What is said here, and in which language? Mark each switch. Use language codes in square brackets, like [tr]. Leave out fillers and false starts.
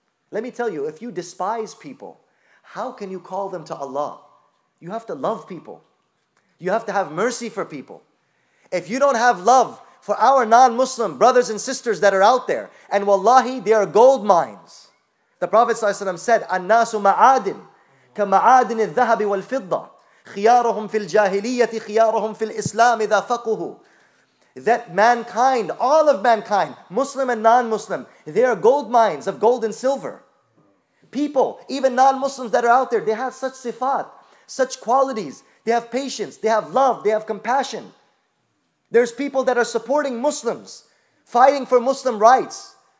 [en] Let me tell you, if you despise people, how can you call them to Allah? You have to love people. You have to have mercy for people. If you don't have love for our non-Muslim brothers and sisters that are out there, and wallahi, they are gold mines. The Prophet ﷺ said, [ar] "An-nasu ma'adin." كمعادن الذهب والفضة خيارهم في الجاهلية خيارهم في الإسلام إذا فقه. [en] That mankind, all of mankind, Muslim and non-Muslim, they are gold mines of gold and silver. People, even non-Muslims that are out there, they have such sifat, such qualities. They have patience, they have love, they have compassion. There's people that are supporting Muslims, fighting for Muslim rights.